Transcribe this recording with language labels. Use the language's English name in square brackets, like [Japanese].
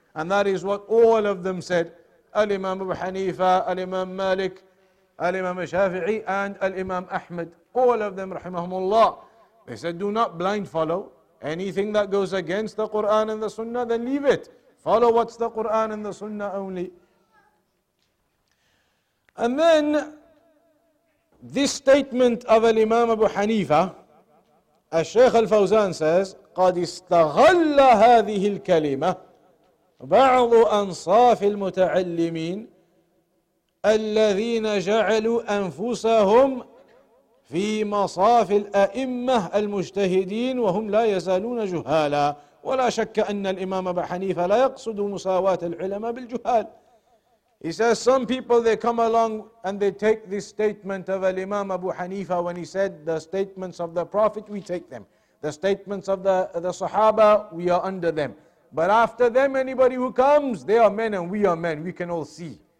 [English] And that is what all of them said. Al-Imam Abu Hanifa, Al-Imam Malik, Al-Imam Shafi'i, and Al-Imam Ahmad. All of them, rahimahumullah. They said, do not blind follow anything that goes against the Quran and the Sunnah, then leave it. Follow what's the Quran and the Sunnah only. And then, this statement of Al-Imam Abu Hanifa, as Shaykh Al-Fawzan says, [Arabic] قَدْ إِسْتَغَلَّ هَذِهِ الْكَلِمَةِ بعض أنصاف المتعلمين الذين جعلوا أنفسهم في مصاف الأئمة المجتهدين وهم لا يزالون جهالا. ولا شك أن الإمام أبا حنيفة لا يقصد مساواة العلماء بالجهال. [English] He says, some people, they come along and they take this statement of Imam Abu Hanifa when he said, the statements of the Prophet, we take them. The statements of the Sahaba, we are under them. But after them, anybody who comes, they are men and we are men. We can all see.